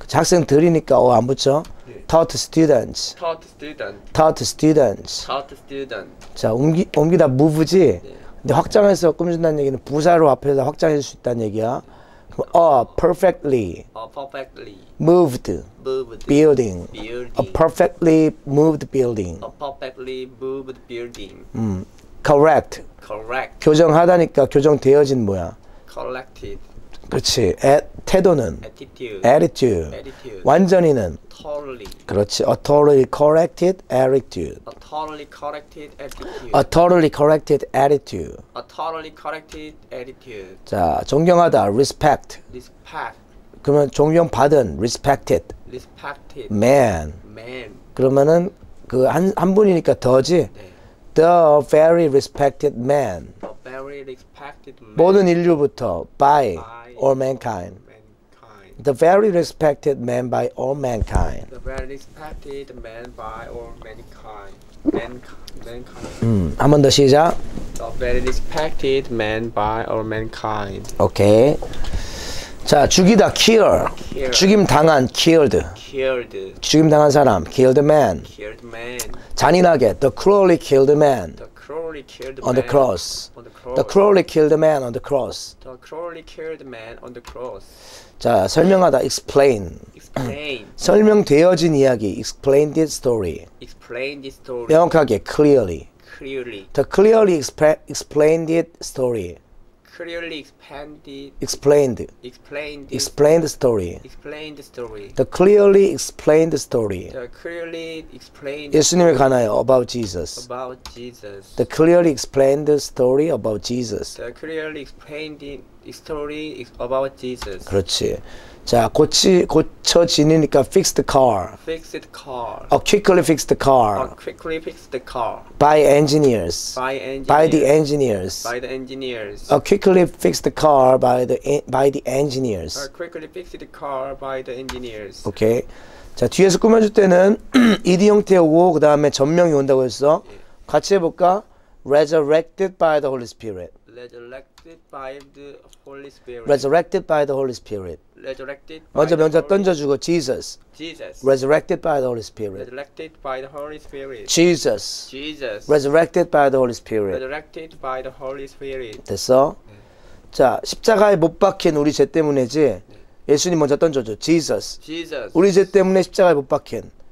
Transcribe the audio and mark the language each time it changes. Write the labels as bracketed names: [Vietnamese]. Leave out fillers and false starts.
[Korean] 학생들이니까 안 붙여. [English] taught students. taught student. taught students. taught student. [Korean] 자, 옮기다 move지? 근데 확장해서 꾸며준다는 얘기는 부사로 앞에서 확장해 줄수 있다는 얘기야. [English] 그럼 perfectly perfectly moved moved building. A building. perfectly moved building. a perfectly moved building. correct. correct. [Korean] 교정하다니까 교정되어진 뭐야? [English] collected. [Korean] 그렇지. at 태도는 [English] attitude. [Korean] 완전히는 [English] totally. [Korean] 그렇지. [English] A totally corrected attitude. A totally corrected attitude. A totally corrected attitude. A totally corrected attitude. [Korean] 자, 존경하다 respect. [English] Respect. 그러면 존경받은 respected. Respected. Man. Man. [Korean] 그러면은 그 한 분이니까 더지. 네. [English] The very respected man. A very respected man. [Korean] 모든 인류부터 by [English] all mankind. The very respected man by all mankind. The very respected man by all mankind. Mankind. [Korean] 한 번 더 시작. [English] The very respected man by all mankind. Okay. [Korean] 자, 죽이다, kill. 죽임 당한, killed. [English] Killed. [Korean] 죽임 당한 사람, [English] killed man. Killed man. [Korean] 잔인하게, [English] the cruelly killed man. The cruelly killed on man. The cross. On the cross. The cruelly killed man on the cross. The cruelly killed man on the cross. [Korean] 자, 설명하다, explain. [English] Explain. [Korean] 설명되어진 이야기, [English] explain this story. Explain this story. 명확하게, clearly. Clearly. The clearly explained it story. Clearly expanded, explained. Explained. Explained the story. Explained the story. The clearly explained the story. The clearly explained. [Korean] 예수님에 관하여 [English] about Jesus. About Jesus. The clearly explained the story about Jesus. The clearly explained story about Jesus. [Korean] 그렇지. 자, 고쳐지니까 [English] fixed car. Fixed car. Or quickly fixed car. Or quickly fixed car. By engineers. By engineers. By the engineers. By the engineers. Or quickly fixed car by the engineers. Or quickly fixed car by the engineers. Okay. [Korean] 자, 뒤에서 꾸며줄 때는 ED 형태의 오, 그 다음에 전명이 온다고 했어. 같이 해볼까? [English] Resurrected by the Holy Spirit. Resurrected by the Holy Spirit. Resurrected by the Holy Spirit. Resurrected. [Korean] 먼저 명자 던져주고 Jesus. [English] Jesus. Resurrected by the Holy Spirit. Resurrected by the Holy Spirit. Jesus. Jesus. Resurrected by the Holy Spirit. Resurrected by the Holy Spirit. [Korean] 됐어? 네. 자, 십자가에 못 박힌 우리 죄 때문에지. 네. 예수님 먼저 던져줘. Jesus. [English] Jesus. [Korean] 우리 죄 때문에 십자가에 못 박힌.